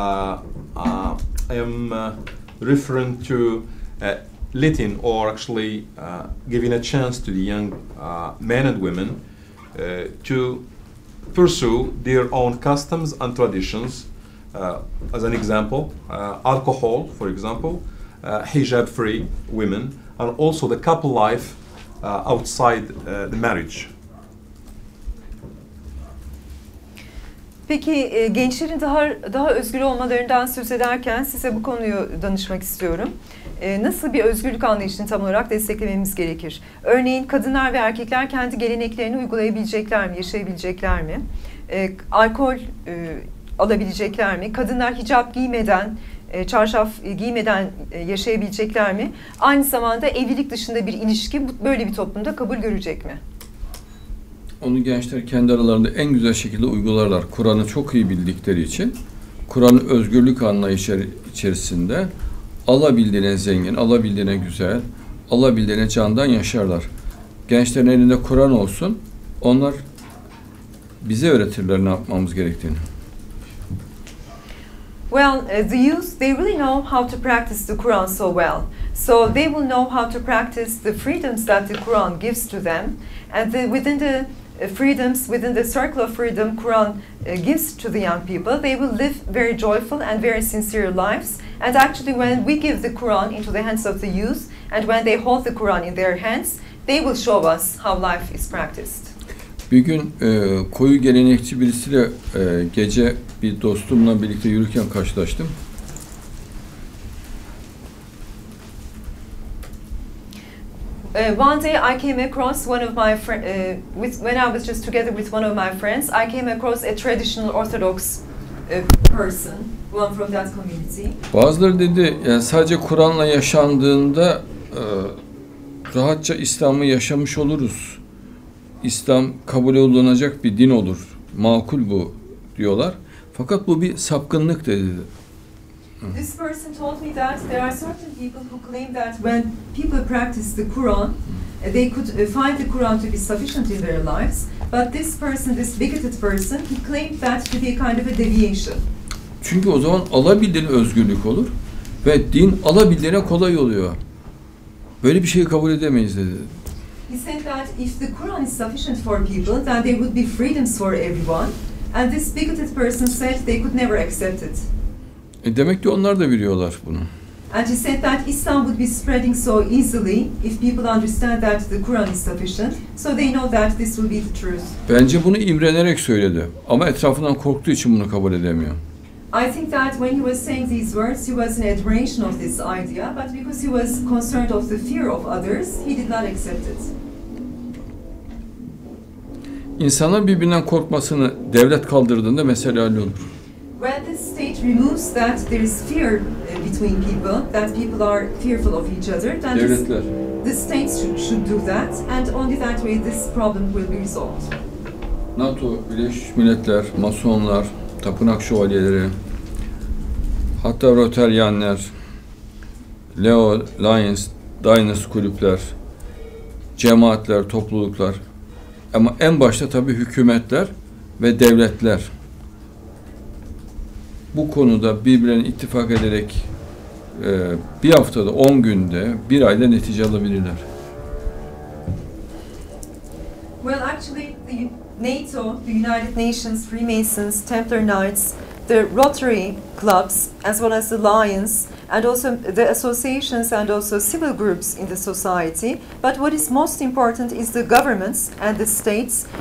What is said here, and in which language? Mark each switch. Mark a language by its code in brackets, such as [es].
[en] I am referring to letting or actually giving a chance to the young men and women to pursue their own customs and traditions. As an example, alcohol, for example, hijab-free women, and also the couple life outside the marriage. [tr] Peki gençlerin daha özgür olmalarından söz ederken size bu konuyu danışmak istiyorum. Nasıl bir özgürlük anlayışını tam olarak desteklememiz gerekir? Örneğin kadınlar ve erkekler kendi geleneklerini uygulayabilecekler mi, yaşayabilecekler mi? Alkol alabilecekler mi? Kadınlar hicap giymeden çarşaf giymeden yaşayabilecekler mi? Aynı zamanda evlilik dışında bir ilişki böyle bir toplumda kabul görecek mi? Onu gençler kendi aralarında en güzel şekilde uygularlar. Kur'an'ı çok iyi bildikleri için. Kur'an'ı özgürlük anlayışı içerisinde alabildiğine zengin, alabildiğine güzel, alabildiğine candan yaşarlar. Gençlerin elinde Kur'an olsun, onlar bize öğretirler ne yapmamız gerektiğini. [en] Well, the youth, they really know how to practice the Quran so well. So they will know how to practice the freedoms that the Quran gives to them. And the, within the freedoms, within the circle of freedom Quran gives to the young people, they will live very joyful and very sincere lives. And actually, when we give the Quran into the hands of the youth, and when they hold the Quran in their hands, they will show us how life is practiced. [tr] Bir gün koyu gelenekçi birisiyle gece bir dostumla birlikte yürürken karşılaştım. [en] One day I came across one of my when I was just together with one of my friends, I came across a traditional Orthodox person, one from that community. [tr] Bazıları dedi, yani sadece Kur'an'la yaşandığında rahatça İslam'ı yaşamış oluruz. İslam kabul olunacak bir din olur. Makul bu diyorlar. Fakat bu bir sapkınlık dedi. [en] This person told me that there are certain people who claim that when people practice the Quran, they could find the Quran to be sufficient in their lives. But this person, this bigoted person, he claimed that to be a kind of a deviation. [tr] Çünkü o zaman alabildiğine özgürlük olur ve din alabildiğine kolay oluyor. Böyle bir şeyi kabul edemeyiz dedi. [en] He said that if the Quran is sufficient for people, then there would be freedoms for everyone. And this bigoted person said they could never accept it. [tr] Demek ki onlar da biliyorlar bunu. [en] And he said that Islam would be spreading so easily if people understand that the Quran is sufficient. So they know that this will be the truth. [tr] Bence bunu imrenerek söyledi. Ama etrafından korktuğu için bunu kabul edemiyor. [en] I think that when he was saying these words, he was in admiration of this idea, but because he was concerned of the fear of others, he did not accept it. [tr] İnsanlar birbirinden korkmasını devlet kaldırdığında mesele hallolur. [en] When the state removes that there is fear between people, that people are fearful of each other, then [tr] devletler. [en] The state should do that, and only that way this problem will be resolved. [tr] NATO, Birleşmiş Milletler, Masonlar, tapınak şövalyeleri, hatta Rotaryanlar, Leo Lions, Dynas kulüpler, cemaatler, topluluklar, ama en başta tabii hükümetler ve devletler bu konuda birbirlerine ittifak ederek bir haftada, 10 günde, bir ayda netice alabilirler. [en] Well, actually, NATO, the United Nations, Freemasons, Templar Knights, the Rotary Clubs, as well as the Lions, and also the associations and also civil groups in the society. But what is most important is the governments and the states.